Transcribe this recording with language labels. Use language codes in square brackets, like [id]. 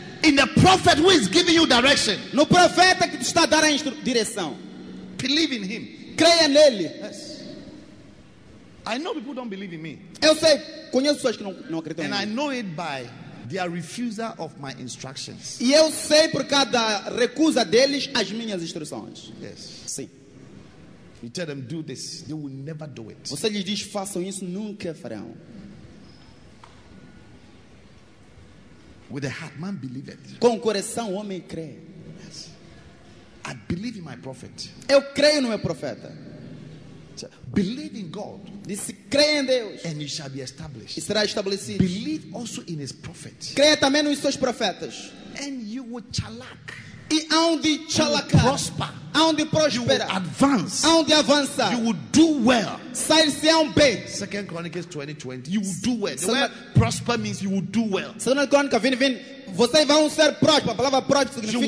[en] In the prophet who is giving you direction. [pt] No profeta que te está a dar a direção. [en] Believe in him. [pt] Creia nele. [en] Yes. I know people don't believe in me. [pt] Eu sei, conheço pessoas que não acreditam [en] and [pt] em [en] I [pt] mim. [en] Know it by their refusal of my instructions. [pt] E eu sei por causa da recusa deles as minhas instruções. [en] Yes. [pt] Sim. [en] You tell them do this, they will never do it. [pt] Você lhes diz façam isso, nunca farão. [en] With a heart, man believe it. [pt] Com o coração, o homem crê. [en] Yes. I believe in my prophet. [pt] Eu creio no meu profeta. [en] Believe in God. [pt] Disse, creia em Deus. [en] And you shall be established. [pt] E será estabelecido. [en] Believe also in his prophet. [pt] Creia também nos seus profetas. [en] And you will chalak. [pt] E aonde chalakar. [en] Prosper. [pt] Aonde prosperar. [en] You will advance. [pt] Aonde avançar. [en] You will do well. [pt] Sair-se-ão bem. [en] 2 Chronicles 20:20. You will do well. The word prosper means you will do well. 2 Chronicles 20:20. [pt] Vocês vão ser prósperos. A palavra próspero significa